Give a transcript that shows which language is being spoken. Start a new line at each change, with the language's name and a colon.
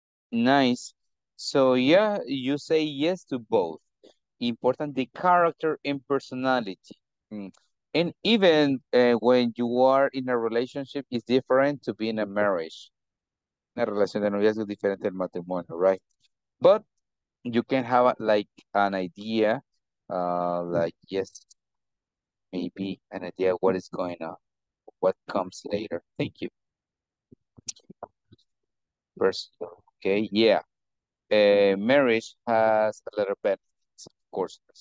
English: Nice. So yeah, you say yes to both. Important, the character and personality. And even when you are in a relationship, it's different to being a marriage.
Spanish: Una relación de noviazgo es diferente al matrimonio, right?
English: But you can have like an idea, like yes, maybe an idea of what is going on, what comes later. Thank you. First. Okay, yeah. Marriage has a lot of benefits, of course.